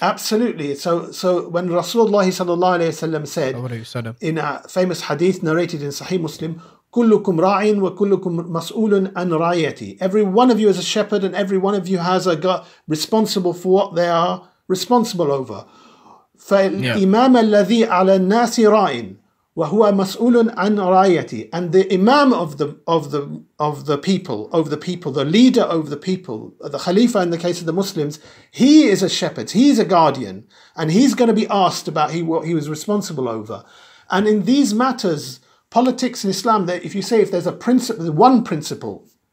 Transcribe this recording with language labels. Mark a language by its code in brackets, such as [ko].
[en] Absolutely. So when Rasulullah sallallahu alayhi wa sallam said in a famous hadith narrated in Sahih Muslim, [ar] "Kullukum ra'in wa kullukum mas'ulun an ra'yati." [en] Every one of you is a shepherd, and every one of you has a gut responsible for what they are responsible over. [ar] فالإمام الذي على الناس ra'in. [en] And the imam of the people, over the people, the leader over the people, the Khalifa in the case of the Muslims, he is a shepherd, he's a guardian, and he's going to be asked about what he was responsible over. And in these matters, politics and Islam, if there's one principle